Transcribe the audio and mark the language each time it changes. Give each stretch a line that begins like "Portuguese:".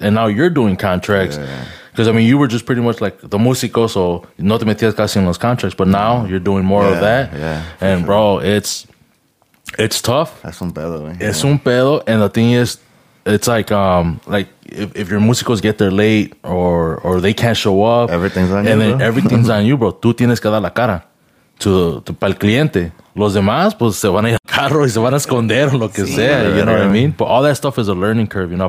English: And now you're doing contracts. Because, yeah. I mean, you were just pretty much like the músico, so
Spanish: no te metías casi en los
English: contracts. But now you're doing more of that. Yeah. And, sure. Bro, it's tough. That's
Spanish: un pedo,
English: man. Yeah. It's
Spanish: un pedo.
English: And the thing is, it's like if your músicos get there late or they can't show up. Everything's on you, bro.
Spanish: Tú tienes que dar la cara. To pa'l cliente. Los demás, pues, se van a ir al carro y se van a esconder o lo que sí, sea.
English: Right, you know what I mean? But all that stuff is a learning curve, you know?